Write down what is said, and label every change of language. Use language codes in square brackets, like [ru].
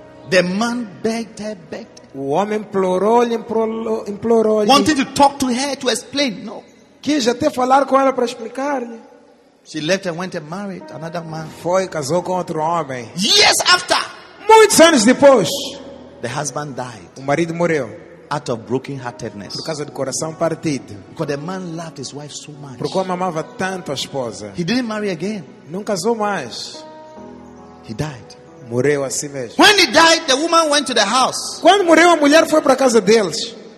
[en] The man begged her, begged. [pt] O homem implorou-lhe. [en] Wanted to talk to her to explain. No. [pt] Quis até falar com ela para explicar-lhe. [en] She left and went and married another man. [pt] Foi e casou com outro homem. [en] Years after. [pt] Muitos anos depois. [en] The husband died. [pt] O marido morreu. [en] Out of broken heartedness. [pt] Por causa do coração partido. [en] Because the man loved his wife so much. [pt] Porque o homem amava tanto a esposa. [en] He didn't marry again. [pt] Não casou mais. [en] He died. [pt] Morreu a si mesmo. [en] When he died, the woman went to the house. [pt] Quando morreu, a mulher foi para a casa deles.